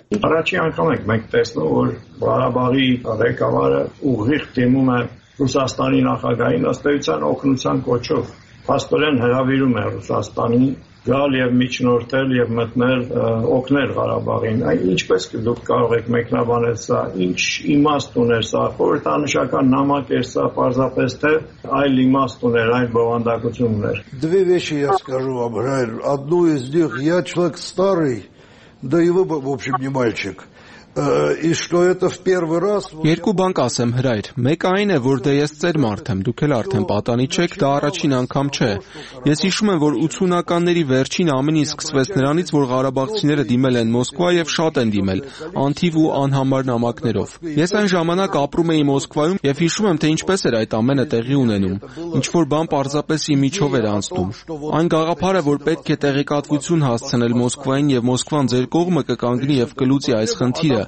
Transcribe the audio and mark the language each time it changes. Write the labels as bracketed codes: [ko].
[hy] Առաջի անգամ եք մենք տեսնում, որ Ղարաբաղի ղեկավարը ուղիղ դիմում է Ռուսաստանի նախագահին ըստեյության օգնության կոչով, փաստորեն հրավիրում է Ռուսաստանի գալ և միջնորդել և մտնել օգնել Ղարաբաղին։ Ինչպես դուք կարող եք մեկնաբանել սա, ինչ իմաստ ուներ սա, խորհրդանշական նամակ էր սա, պարզապես թե այլ իմաստ ուներ, այլ բովանդակություն ուներ։ [ru] Две вещи я скажу вам, Раир. Одну из них, я человек старый, да и вы, в общем, не мальчик. [hy] Երկու բան ասեմ, Հրայր։ Մեկ այն է, որ դե ես ծեր մարդ եմ, դուք էլ արդեն պատանի չեք, դա առաջին անգամ չէ։ Ես հիշում եմ, որ 80-ականների վերջին ամեն ինչ սկսվեց նրանից, որ Ղարաբաղցիները դիմել են Մոսկվա և շատ են դիմել, անթիվ ու անհամար նամակներով։ Ես այն ժամանակ ապրում էի Մոսկվայում և հիշում եմ, թե ինչպես էր այդ ամենը տեղի ունենում, ինչ որ բան պարզապես իմ միջով էր անցնում։ Այն գաղափարը, որ պետք է տեղեկատվություն հասցնել Մոսկվային և Մոսկվան ձեր կողմը կկանգնի և կլուծի այս խնդիրը,